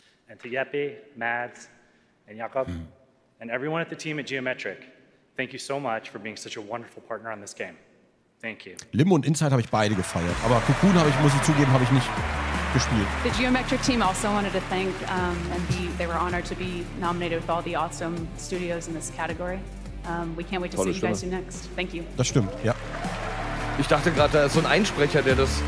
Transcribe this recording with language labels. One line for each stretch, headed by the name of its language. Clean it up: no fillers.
English: And to Yepi, Mads, and Jakob, and everyone at the team at Geometric, thank you so much for being such a wonderful partner on this game. Thank you.
German: Limbo und Inside habe ich beide gefeiert, aber Cocoon muss ich zugeben, habe ich nicht gespielt.
English: The Geometric team also wanted to thank and they were honored to be nominated with all the awesome studios in this category. We can't wait to see you guys do next. Thank you.
German: Das stimmt, ja. Ich dachte gerade, da ist so ein Einsprecher, der das